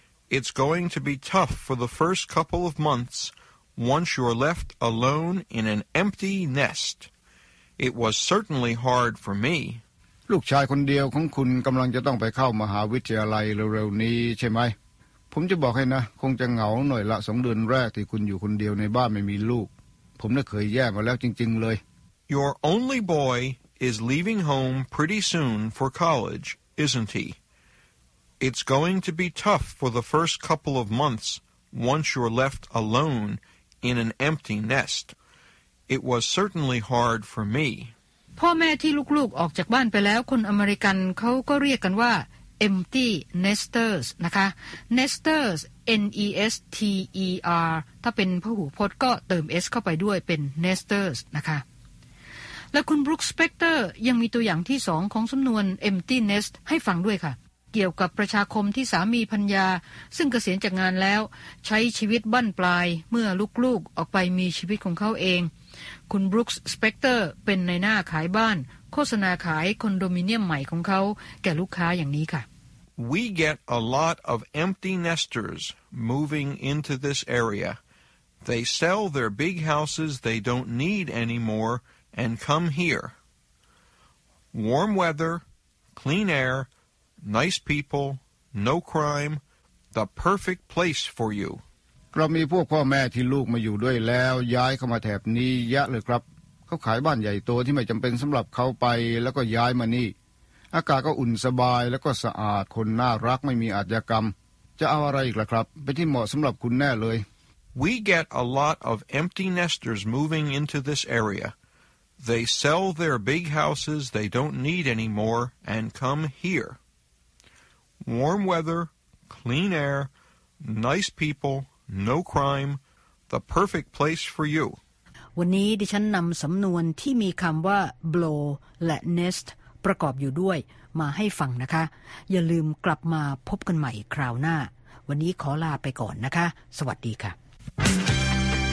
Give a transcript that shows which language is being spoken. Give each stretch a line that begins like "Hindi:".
English: It's going to be tough for the first couple of months once you're left alone in an empty nest. It was certainly hard for me.
Thai: ลูกชายคนเดียวของคุณกำลังจะต้องไปเข้ามหาวิทยาลัยเร็วๆนี้ใช่ไหมผมจะบอกให้นะคงจะเหงาหน่อยละสองเดือนแรกที่คุณอยู่คนเดียวในบ้านไม่มีลูกผมน่ะเคยแย่มาแล้วจริงๆเลย
English: Your only boy is leaving home pretty soon for college, isn't he? It's going to be tough for the first couple of months once you're left alone in an empty nest. It was certainly hard for me.
Thai: พ่อแม่ที่ลูกๆออกจากบ้านไปแล้วคนอเมริกันเขาก็เรียกกันว่า empty nesters นะคะ nesters N-E-S-T-E-R ถ้าเป็นพหูพจน์ก็เติม S เข้าไปด้วยเป็น nesters นะคะ และคุณ Brooke Specter ยังมีตัวอย่างที่สองของสำนวน empty nest ให้ฟังด้วยค่ะเกี่ยวกับประชาคมที่สามีภรรยาซึ่งเกษียณจากงานแล้วใช้ชีวิตบั้นปลายเมื่อลูกๆออกไปมีชีวิตของเขาเองคุณ Brooks Specter เป็นในหน้าขายบ้านโฆษณาขายคอนโดมิเนียมใหม่ของเขาแก่ลูกค้าอย่างนี้ค่ะ
English: We get a lot of empty nesters moving into this area. They sell their big houses they don't need anymore and come here. Warm weather, clean airNice people, no crime, the perfect place for you.
Thai: เรามีพวกพ่อแม่ที่ลูกมาอยู่ด้วยแล้วย้ายเข้ามาแถบนี้เยอะเลยครับเขาขายบ้านใหญ่โตที่ไม่จำเป็นสำหรับเขาไปแล้วก็ย้ายมานี่อากาศก็อุ่นสบายแล้วก็สะอาดคนน่ารักไม่มีอาชญากรรมจะเอาอะไรอีกล่ะครับไปที่เหมาะสำหรับคุณแน่เลย
English: We get a lot of empty nesters moving into this area. They sell their big houses they don't need anymore and come here. Warm weather, clean air, nice people, no crime, the perfect place for you.
Thai: วันนี้ดิฉันนำสำนวนที่มีคำว่า blow และ nest ประกอบอยู่ด้วยมาให้ฟังนะคะอย่าลืมกลับมาพบกันใหม่คราวหน้าวันนี้ขอลาไปก่อนนะคะสวัสดีค่ะ